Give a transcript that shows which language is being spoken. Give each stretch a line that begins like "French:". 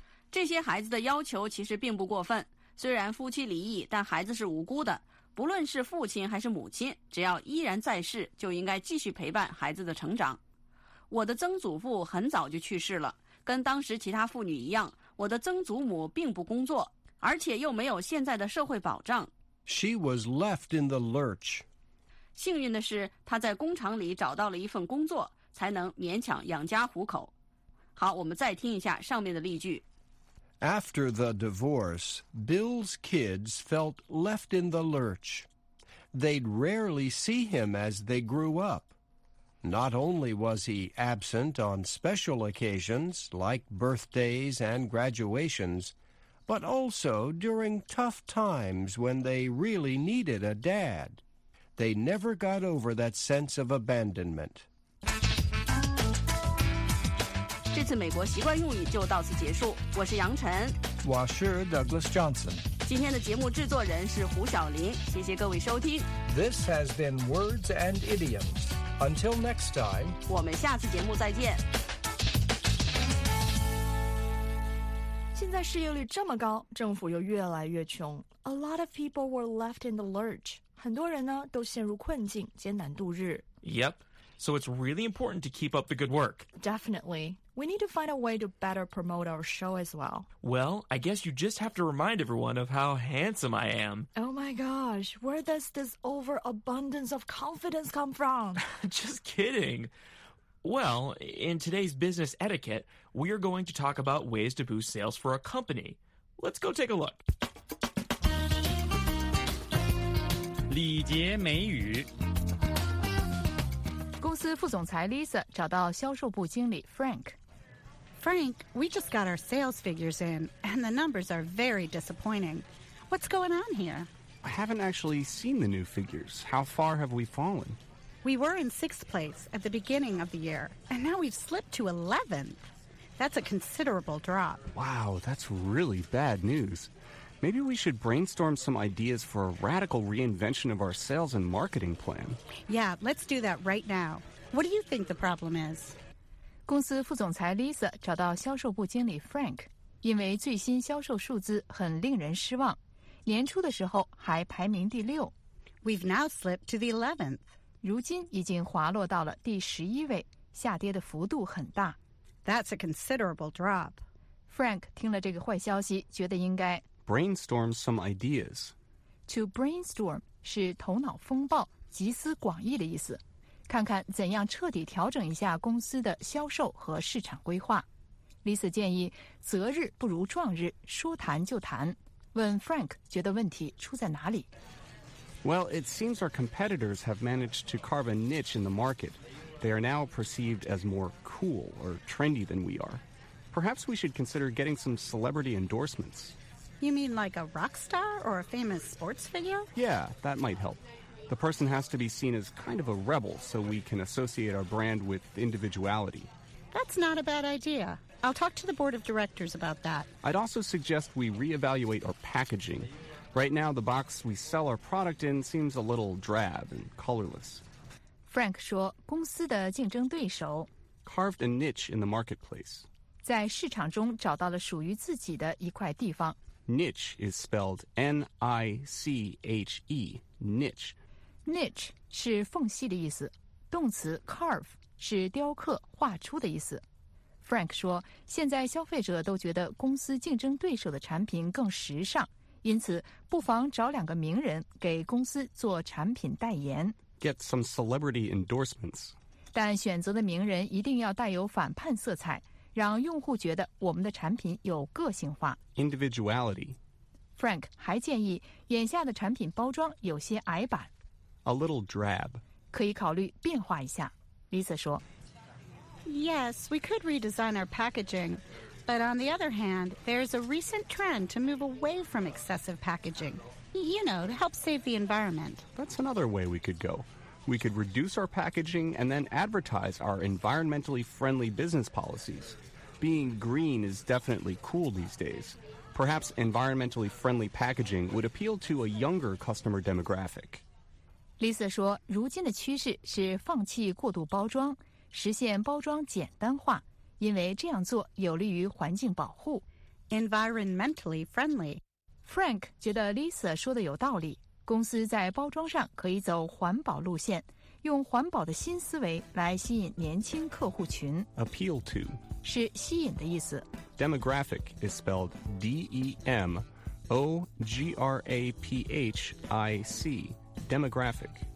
Chinese: 这些孩子的要求其实并不过分，虽然夫妻离异，但孩子是无辜的。不论是父亲还是母亲，只要依然在世，就应该继续陪伴孩子的成长。我的曾祖父很早就去世了，跟当时其他妇女一样，我的曾祖母并不工作，而且又没有现在的社会保障。
English: She was left in the lurch.
Chinese: 幸运的是，她在工厂里找到了一份工作，才能勉强养家糊口。好，我们再听一下上面的例句。
English: After the divorce, Bill's kids felt left in the lurch. They'd rarely see him as they grew up. Not only was he absent on special occasions, like birthdays and graduations, but also during tough times when they really needed a dad. They never got over that sense of abandonment.
Chinese: 这次美国习惯用语就到此结束，我是杨晨，我是 Douglas Johnson，今天的节目制作人是胡晓林，谢谢各位收听。
English: This has been Words and Idioms. Until next time，
Chinese: 我们下次节目再见。现在失业率这么高，政府又越来越穷，
English: A lot of people were left in the lurch，
Chinese: 很多人呢都陷入困境，艰难度日。
English: Yep. So it's really important to keep up the good work. Definitely. We need to find a way to better promote our show as well. Well, I guess you just have to remind everyone of how handsome I am. Oh my gosh, where does this overabundance of confidence come from? Just kidding. Well, in today's business etiquette, we are going to talk about ways to boost sales for a company. Let's go take a look.
Chinese: 礼节美语公司副总裁 Lisa 找到销售部经理 Frank。
English: Frank, we just got our sales figures in, and the numbers are very disappointing. What's going on here? I haven't actually seen the new figures. How far have we fallen? We were in sixth place at the beginning of the year, and now we've slipped to 11th. That's a considerable drop. Wow, that's really bad news. Maybe we should brainstorm some ideas for a radical reinvention of our sales and marketing plan. Yeah, let's do that right now. What do you think the problem is?
Chinese: 公司副总裁 Lisa 找到销售部经理 Frank， 因为最新销售数字很令人失望，年初的时候还排名第六。
English: We've now slipped to the 11th.
Chinese: 如今已经滑落到了第十一位，下跌的幅度很大。
English: That's a considerable drop.
Chinese: Frank 听了这个坏消息，觉得应该
English: brainstorm some ideas.
Chinese: To brainstorm 是头脑风暴，集思广益的意思。看看怎样彻底调整一下公司的销售和市场规划。 Lisa 建议择日不如撞日，说谈就谈，问 Frank 觉得问题出在哪里。
English: Well, it seems our competitors have managed to carve a niche in the market. They are now perceived as more cool or trendy than we are. Perhaps we should consider getting some celebrity endorsements. You mean like a rock star or a famous sports figure? Yeah, that might help. The person has to be seen as kind of a rebel so we can associate our brand with individuality. That's not a bad idea. I'll talk to the board of directors about that. I'd also suggest we reevaluate our packaging. Right now, the box we sell our product in seems a little drab and colorless.
Chinese: Frank 说公司的竞争对手
English: carved a niche in the marketplace.
Chinese: 在市场中找到了属于自己的一块地方。
English: Niche is spelled N-I-C-H-E, niche.
Chinese: Niche 是缝隙的意思。动词 carve 是雕刻、画出的意思。 Frank 说现在消费者都觉得公司竞争对手的产品更时尚。因此不妨找两个名人给公司做产品代言。
English: Get some celebrity endorsements.
Chinese: 但选择的名人一定要带有反叛色彩。让用户觉得我们的产品有个性化。
English: Individuality.
Chinese: Frank 还建议眼下的产品包装有些矮板。
English: A little drab.
Chinese: 可以考虑变化一下。Lisa 说。
English: Yes, we could redesign our packaging. But on the other hand, there's a recent trend to move away from excessive packaging. You know, to help save the environment. That's another way we could go. We could reduce our packaging and then advertise our environmentally friendly business policies. Being green is definitely cool these days. Perhaps environmentally friendly packaging would appeal to a younger customer demographic.
Chinese: Lisa 说如今的趋势是放弃过度包装，实现包装简单化，因为这样做有利于环境保护。
English: Environmentally friendly.
Chinese: Frank 觉得 Lisa 说的有道理。公司在包装上可以走环保路线，用环保的新思维来吸引年轻客户群。
English: Appeal to
Chinese: 是吸引的意思。
English: Demographic is spelled D-E-M-O-G-R-A-P-H-I-C. Demographic.